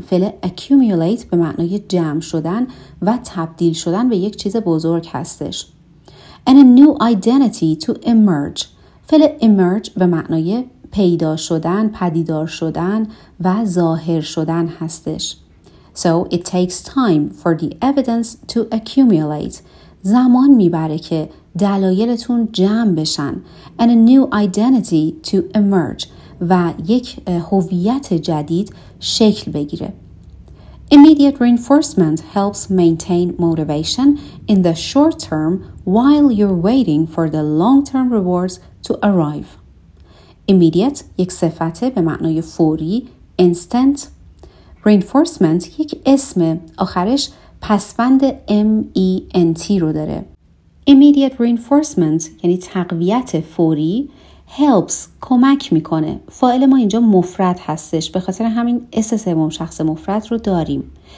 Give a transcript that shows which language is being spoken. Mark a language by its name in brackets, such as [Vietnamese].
[Persian] فعل accumulate به معنای جمع شدن و تبدیل شدن به یک چیز بزرگ هستش. [English] And a new identity to emerge. [Persian] فعل emerge به معنای پیدا شدن، پدیدار شدن و ظاهر شدن هستش. [English] So it takes time for the evidence to accumulate. [Persian] زمان میبره که دلایلتون جمع بشن. [English] And a new identity to emerge. [Persian] و یک هویت جدید شکل بگیره. [English] Immediate reinforcement helps maintain motivation in the short term while you're waiting for the long-term rewards to arrive. [Persian] Immediate یک صفته به معنای فوری، instant. Reinforcement یک اسم، آخرش پسوند M-E-N-T رو داره. [English] Immediate reinforcement [Persian] یعنی تقویت فوری helps کمک میکنه. فاعل ما اینجا مفرد هستش، به خاطر همین اس سوم شخص مفرد رو داریم.